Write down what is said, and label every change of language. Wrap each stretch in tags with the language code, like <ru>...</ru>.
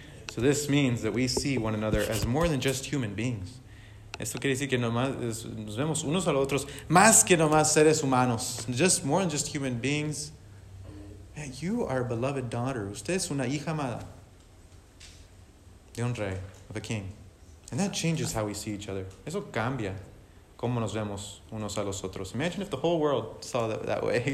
<en>So this means that we see one another as more than just human beings.</en> <es>Esto quiere decir que nos vemos unos a los otros más que nomás seres humanos.</es> <en>Just more than just human beings. Man, you are a beloved daughter.</en> <es>Usted es una hija amada de un rey,</es> <en>of a king. And that changes how we see each other.</en> <es>Eso cambia cómo nos vemos unos a los otros.</es> <en>Imagine if the whole world saw that way.</en>